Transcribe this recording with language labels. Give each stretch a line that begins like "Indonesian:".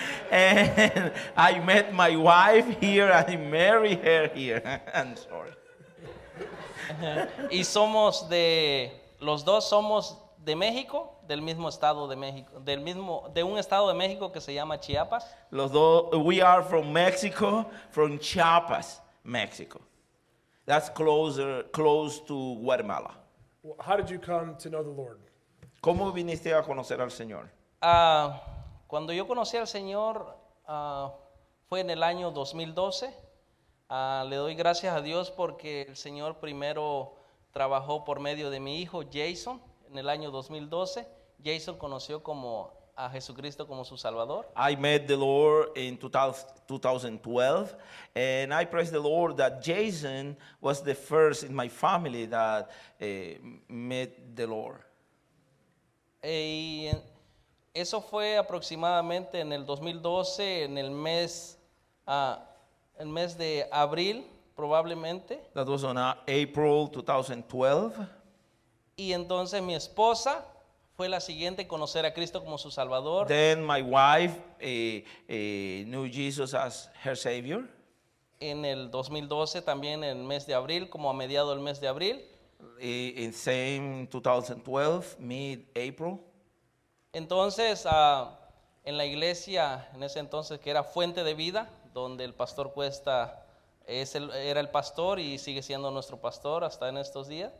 English: And I met my wife here and I married her here. I'm sorry.
Spanish: Y somos de, los dos somos de México, del mismo estado de México, de un estado de México que se llama Chiapas. Los dos,
English: we are from Mexico, from Chiapas, Mexico. That's close to Guatemala. Well, how did you come to know the Lord?
Spanish: ¿Cómo viniste a conocer al Señor? Cuando yo conocí al Señor, fue en el año 2012. Le doy gracias a Dios porque el Señor primero trabajó por medio de mi hijo Jason en el año 2012. Jason conoció como a Jesucristo como su Salvador.
English: I met the Lord in 2012 and I praise the Lord that Jason was the first in my family that met the Lord.
Spanish: Y eso fue aproximadamente en el 2012, en el mes... El mes de abril, probablemente.
English: That was on April 2012.
Spanish: Y entonces mi esposa fue la siguiente a conocer a Cristo como su Salvador.
English: Then my wife knew Jesus as her Savior.
Spanish: En el 2012, también en el mes de abril, como a mediado del mes de abril.
English: In same 2012, mid-April.
Spanish: Entonces, en la iglesia, en ese entonces, que era Fuente de Vida, donde el pastor Cuesta era el pastor y sigue siendo nuestro pastor hasta en estos días.